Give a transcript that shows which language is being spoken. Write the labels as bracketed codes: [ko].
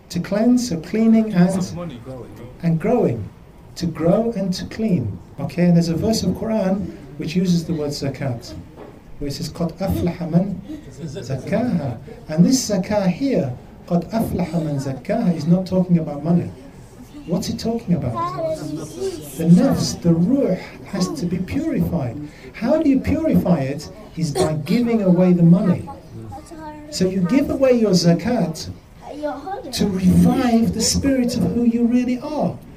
[en] To cleanse, so cleaning and? Money, and growing. To grow and to clean. Okay, and there's a verse of Quran which uses the word zakat. Where it says, [ar] قَدْ أَفْلَحَ مَنْ زَكَّاهَا. [en] And this zakah here, [ar] قَدْ أَفْلَحَ مَنْ زَكَّاهَا, [en] is not talking about money. What's it talking about? The nafs, the ruh, has to be purified. How do you purify it? Is by giving away the money. So you give away your zakat to revive the spirit of who you really are.